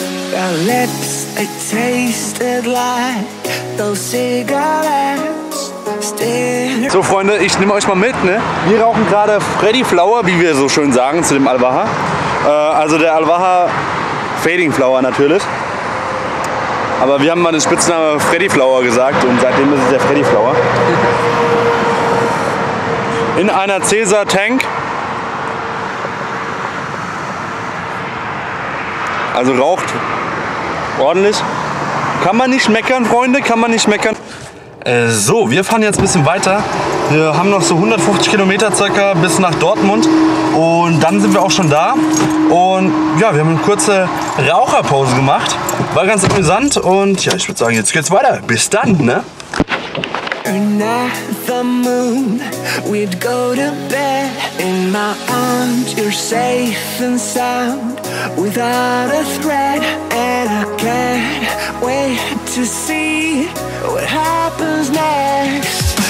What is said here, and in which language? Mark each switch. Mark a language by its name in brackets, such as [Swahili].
[English] Your lips, they tasted like those cigarettes. [German] So Freunde, ich nehme euch mal mit, ne? Wir rauchen gerade Freddy Flower, wie wir so schön sagen, zu dem Alvaja. Also der Alvaja Fading Flower natürlich. Aber wir haben mal den Spitznamen Freddy Flower gesagt und seitdem ist es der Freddy Flower. In einer Caesar Tank. Also raucht ordentlich. Kann man nicht meckern, Freunde, kann man nicht meckern. So, wir fahren jetzt ein bisschen weiter. Wir haben noch so 150 Kilometer circa bis nach Dortmund und dann sind wir auch schon da und ja, wir haben eine kurze Raucherpause gemacht. War ganz amüsant und ja, ich würde sagen, jetzt geht's weiter. Bis dann, ne? [English] Another moon, we'd go to bed in my arms. You're safe and sound, without a threat. And I can't wait to see what happens next.